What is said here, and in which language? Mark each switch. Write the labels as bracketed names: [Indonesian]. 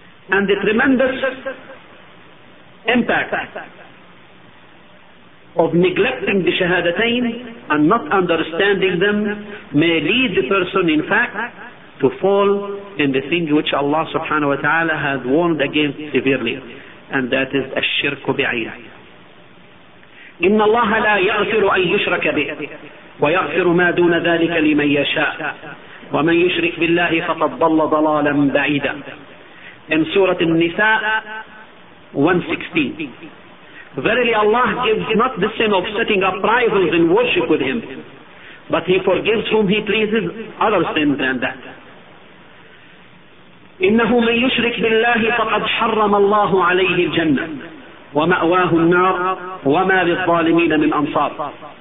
[English] And the tremendous impact of neglecting the shahadatayn and not understanding them may lead the person in fact to fall in the thing which Allah subhanahu wa ta'ala has warned against severely, and that is [Arabic] الشرك بعينه. إن الله لا يغفر أن يشرك به ويغفر ما دون ذلك لمن يشاء ومن يشرك بالله فقد ضل ضلالا بعيدا. [English] In Surah An-Nisa 116, verily Allah gives not the sin of setting up rivals in worship with Him, but He forgives whom He pleases other sins than that. [Arabic] إنه من يشرك بالله فقد حرم الله عليه الجنة ومأواه النار وما للظالمين من أنصار.